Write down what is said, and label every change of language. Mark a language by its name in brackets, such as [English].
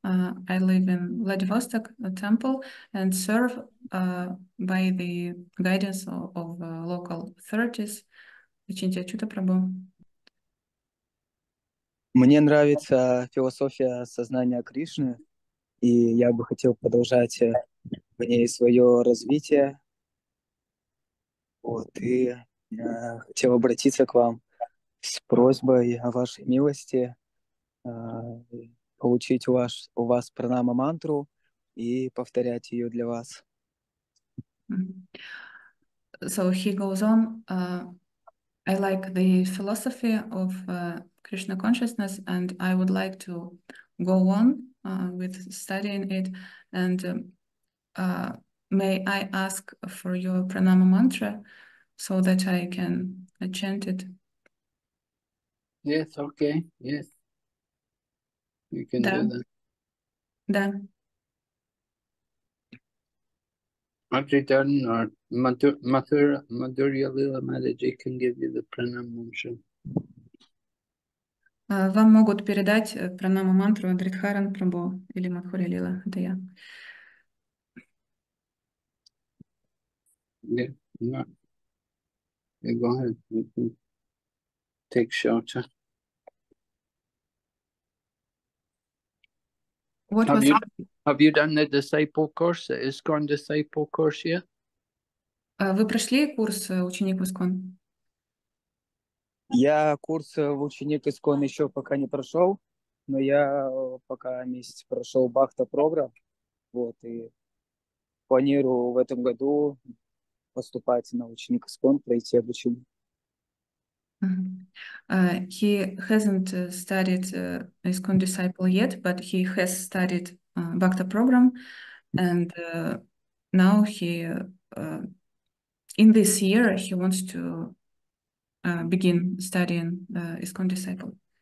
[English] I live in Vladivostok temple and serve by the guidance of local authorities. [Russian] Ачинтия Мне нравится философия сознания Кришны, и я бы хотел продолжать в ней свое развитие. Вот, и я хотел обратиться к вам с просьбой о вашей милости, получить у вас пранама мантру и повторять ее для вас. [English] So he goes on. I like the philosophy of Krishna consciousness, and I would like to go on with studying it. And may I ask for your pranama mantra so that I can chant it? Yes, okay, yes. You can [Russian] Да. [English] do that. [Russian] Да. [English] Adritan or Madhurya can give you the pranam. [Russian] Вам могут передать пранама мантру Адридхаран Прабху или Мадхури Лила. Это я. [English] Yeah, no. Yeah, go ahead. You can take shelter. What Have was you done the disciple course, the ISKCON disciple course yet? [Russian] Вы прошли курс ученик в ИСККОН? Я курс в ученик ИСККОН еще пока не прошел, но я пока месяц прошел Бахта программ, вот, и планирую в этом году поступать на ученик ИСККОН, пройти обучение. [English] He hasn't studied ISKCON disciple yet, but he has studied Bhakta program, and now he in this year he wants to begin studying ISKCON disciple.